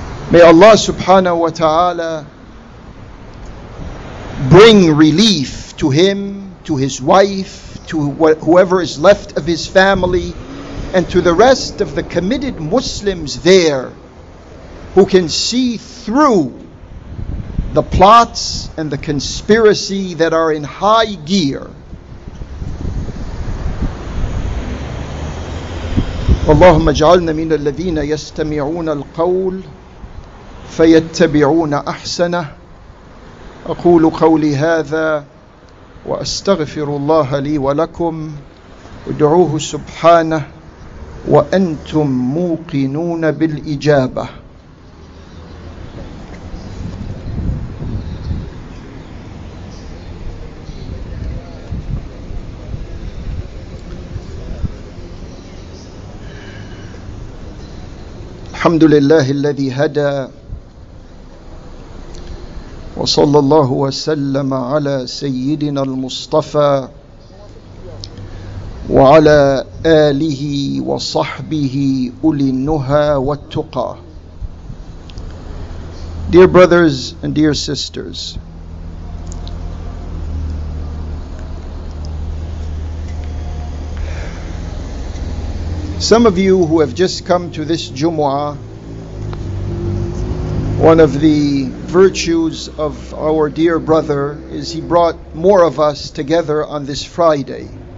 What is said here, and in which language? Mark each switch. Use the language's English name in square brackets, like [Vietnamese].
[English] May Allah subhanahu wa ta'ala bring relief to him, to his wife, to whoever is left of his family, and to the rest of the committed Muslims there who can see through the plots and the conspiracy that are in high gear. [Arabic] اللهم اجعلنا من الذين يستمعون القول فيتبعون أحسنه أقول قولي هذا وأستغفر الله لي ولكم ادعوه سبحانه وأنتم موقنون بالإجابة. الحمد لله الذي هدى وصلى الله وسلم على سيدنا المصطفى وعلى آله وصحبه أولي النهى والتقى. [English] Dear brothers and dear sisters, some of you who have just come to this Jumu'ah, one of the virtues of our dear brother is he brought more of us together on this Friday.